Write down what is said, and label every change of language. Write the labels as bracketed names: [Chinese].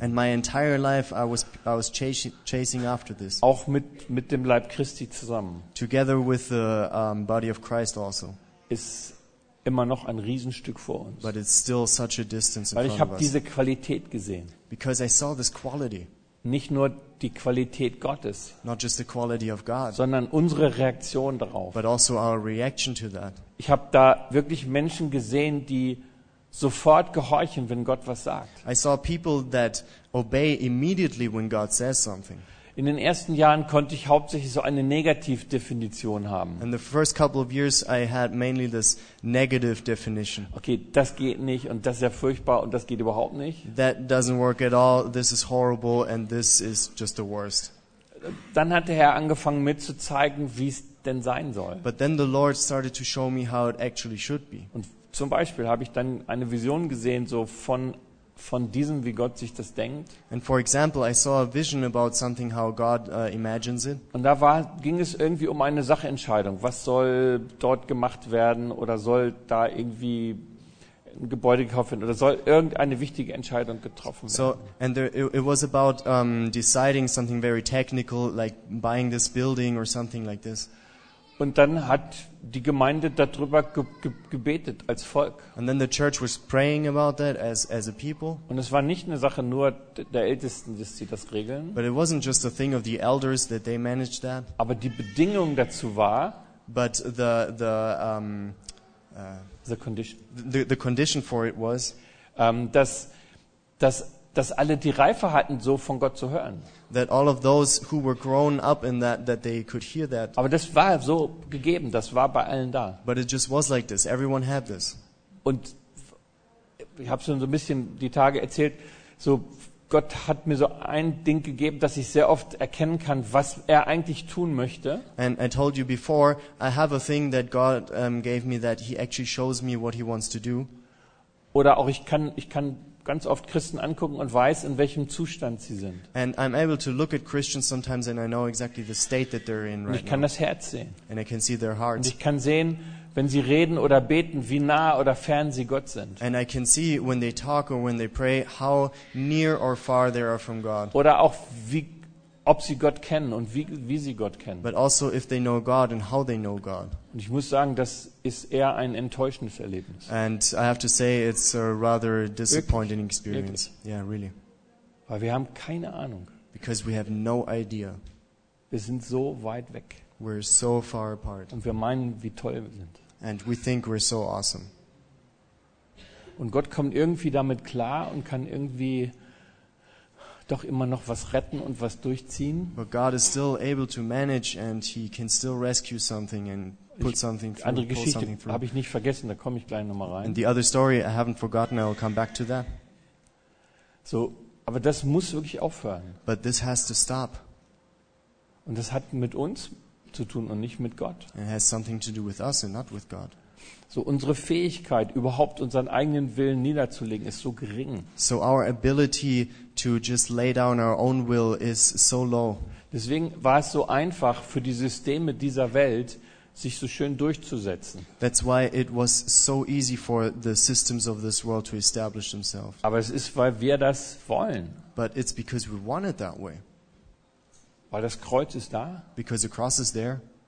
[English] And my entire life I was chasing after this. [German] Auch mit dem Leib Christi zusammen. [English] Together with the body of Christ also. [German] Ist immer noch ein Riesenstück vor uns. [English] But it's still such a distance. [German] Weil ich habe diese Qualität gesehen. [English] Because I saw this quality. [German] Nicht nur die Qualität Gottes, [English] not just the quality of God, [German] sondern unsere Reaktion darauf. [English] But also our reaction to that. [German] Ich habe da wirklich Menschen gesehen, die sofort gehorchen, wenn Gott was sagt. [English] I saw people that obey immediately when God says something. [German] In den ersten Jahren konnte ich hauptsächlich so eine Negativdefinition haben. [English] In the first couple of years I had mainly this negative definition. [German] Okay, das geht nicht und das ist ja furchtbar und das geht überhaupt nicht. [English] That doesn't work at all. This is horrible and this is just the worst. [German] Dann hat der Herr angefangen mitzuzeigen, wie es denn sein soll. [English] But then the Lord started to show me how it actually should be. [German] Und zum Beispiel habe ich dann eine Vision gesehen so von diesem, wie Gott sich das denkt. [English] And for example, I saw a vision about something how God imagines it. [German] Und da war, ging es irgendwie um eine Sachentscheidung. Was soll dort gemacht werden oder soll da irgendwie ein Gebäude gekauft werden oder soll irgendeine wichtige Entscheidung getroffen werden? [English] So, and there, it was about deciding something very technical, like buying this building or something like this. [German] Und dann hat die Gemeinde darüber gebetet als Volk. [English] And then the church was praying about that as a people. [German] Und es war nicht eine Sache nur der Ältesten, dass sie das regeln. [English] But it wasn't just a thing of the elders that they managed that. [German] Aber die Bedingung dazu war. [English] But the condition. The condition for it was, [German] dass alle die Reife hatten, so von Gott zu hören. [English] That all of those who were grown up in that they could hear that. [German] Aber das war so gegeben, das war bei allen da. [English] But it just was like this. Everyone had this. [German] Und ich habe schon so ein bisschen die Tage erzählt, so Gott hat mir so ein Ding gegeben, dass ich sehr oft erkennen kann, was er eigentlich tun möchte. [English] And I told you before, I have a thing that God gave me that he actually shows me what he wants to do. [German] Oder auch ich kann ganz oft Christen angucken und weiß, in welchem Zustand sie sind. [English] And I'm able to look at Christians sometimes and I know exactly the state that they're in right now. [German] Ich kann das Herz sehen. [English] And I can see their hearts. [German] Und ich kann sehen, wenn sie reden oder beten, wie nah oder fern sie Gott sind. [English] And I can see when they talk or when they pray how near or far they are from God. [German] Oder auch wie ob sie Gott kennen und wie sie Gott kennen. [English] But also if they know God and how they know God. [German] Und ich muss sagen, das ist eher ein enttäuschendes Erlebnis. [English] And I have to say it's a rather disappointing experience. [German] Wirklich. [English] Yeah, really. [German] Weil wir haben keine Ahnung. [English] Because we have no idea. [German] Wir sind so weit weg. [English] We're so far apart. [German] Und wir meinen, wie toll wir sind. [English] And we think we're so awesome. [German] Und Gott kommt irgendwie damit klar und kann irgendwie doch immer noch was retten und was durchziehen. [English] But God is still able to manage and he can still rescue something and put something through. [German] Andere Geschichte habe ich nicht vergessen, da komme ich gleich nochmal rein. [English] And the other story I haven't forgotten, I'll come back to that. [German] So, aber das muss wirklich aufhören. [English] But this has to stop. [German] Und das hat mit uns zu tun und nicht mit Gott. [English] It has something to do with us and not with God. [German] So unsere Fähigkeit, überhaupt unseren eigenen Willen niederzulegen, ist so gering. [English] So our ability to just lay down our own will is so low. [German] Deswegen war es so einfach für die Systeme dieser Welt, sich so schön durchzusetzen. [English] That's why it was so easy for the systems of this world to establish themselves. [German] Aber es ist, weil wir das wollen. [English] But it's because we want it that way. [German] Weil das Kreuz ist da. Because the cross is there.